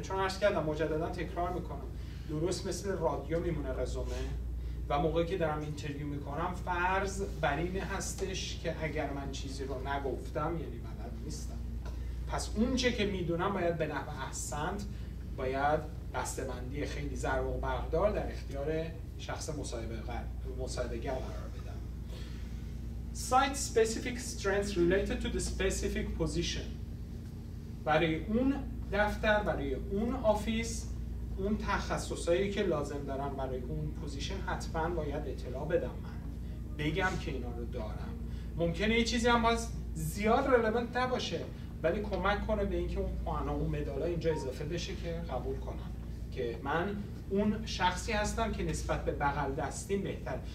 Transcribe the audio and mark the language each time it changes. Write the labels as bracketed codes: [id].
[fa] چون عرض کردم، مجددا تکرار میکنم، درست مثل رادیو میمونه رزومه، و موقعی که دارم اینترویو میکنم فرض بر این هستش که اگر من چیزی رو نگفتم یعنی بلد نیستم، پس اونچه که میدونم باید به نحو احسن، باید بسته‌بندی خیلی ضرب و برق‌دار در اختیار شخص مصاحبه‌گر قرار. [en] Site specific strengths related to the specific position. [fa] برای اون دفتر، برای اون آفیس، اون تخصصایی که لازم دارم برای اون پوزیشن حتما باید اطلاع بدم، من بگم که اینا رو دارم. ممکنه یه چیزی هم باز زیاد رلوانت نباشه، ولی کمک کنه به اینکه اون پوانا و مدالا اینجا اضافه بشه که قبول کنن که من اون شخصی هستم که نسبت به بغل دستیم بهتر.